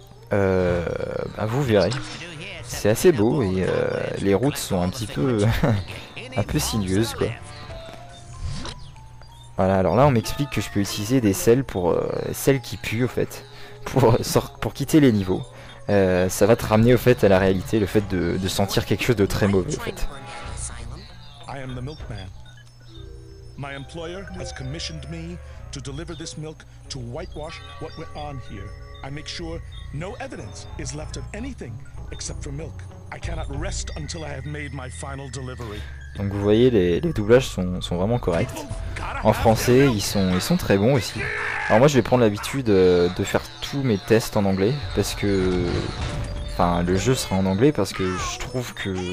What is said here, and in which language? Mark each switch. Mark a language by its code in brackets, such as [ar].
[fr] Vous verrez, c'est assez beau et les routes sont un petit peu un peu sinueuses, quoi. Voilà, alors là on m'explique que je peux utiliser des sels pour celles qui puent au fait, pour quitter les niveaux. Ça va te ramener au fait à la réalité, le fait de sentir quelque chose de très mauvais au fait. [en] I am the milkman. My employer has commissioned me to deliver this milk to whitewash what went on here. I make sure no evidence is left of anything except for milk. I cannot rest until I have made my final delivery. [fr] Donc vous voyez, les doublages sont vraiment corrects. En français, ils sont très bons aussi. Alors moi, je vais prendre l'habitude de faire tous mes tests en anglais parce que Enfin, le jeu sera en anglais parce que je trouve que.